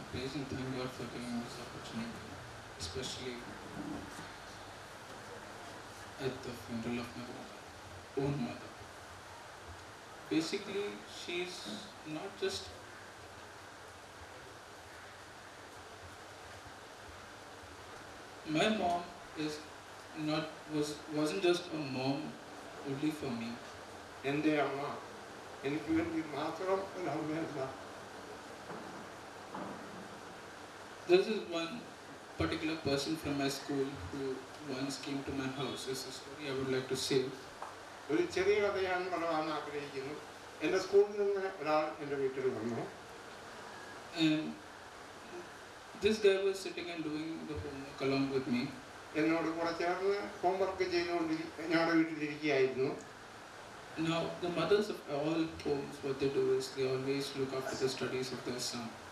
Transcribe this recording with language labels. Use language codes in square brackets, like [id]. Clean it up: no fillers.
[en] message and thank God for giving us this opportunity, especially at the funeral of my own mother. Basically, she's not just my mom is not wasn't just a mom only for me. [ml] എൻ്റെ അമ്മ എനിക്ക് വേണ്ടി മാത്രം ഒരു അമ്മയല്ല. [en] This is one particular person from my school who once came to my house. This is a story I would like to save. [ml] ഒരു ചെറിയ കഥയാണ് പറയാൻ ആഗ്രഹിക്കുന്നു. എൻ്റെ സ്കൂളിൽ നിന്ന് ഒരാൾ എൻ്റെ വീട്ടിൽ വന്നു. [en] This guy was sitting and doing the homework along with me. [ml] എന്നോട് കൂടെ ചേർന്ന് ഹോംവർക്ക് ചെയ്തുകൊണ്ടിരിക്കും ഞങ്ങളുടെ വീട്ടിലിരിക്കുകയായിരുന്നു. [en] Now, the mothers of all homes, what they do is they always look after the studies of their son.